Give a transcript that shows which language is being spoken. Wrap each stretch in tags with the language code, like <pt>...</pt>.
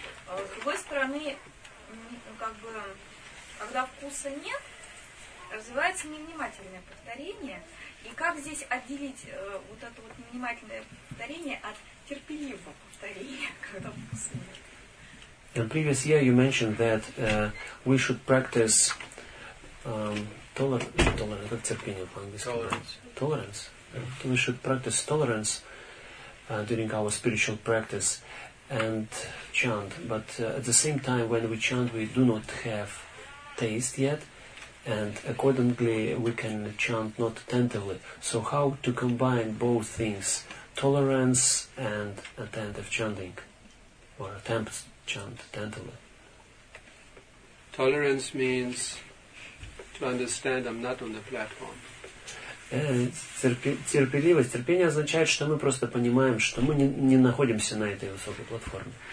<ru>С другой стороны, как бы, когда вкуса нет, развивается невнимательное повторение. И как здесь отделить вот это вот невнимательное повторение от терпеливого повторения, когда вкуса нет?</ru> <en>In previous year you mentioned that we should practice tolerance. Yeah. We should practice tolerance during our spiritual practice and chant. But at the same time, when we chant, we do not have taste yet, and accordingly, we can chant not attentively. So how to combine both things, tolerance and attentive chanting, or attempt chant attentively? Tolerance means to understand I'm not on the platform.</en> <ru>Терпеливость, терпение означает, что мы просто понимаем, что мы не находимся на этой высокой платформе.</ru>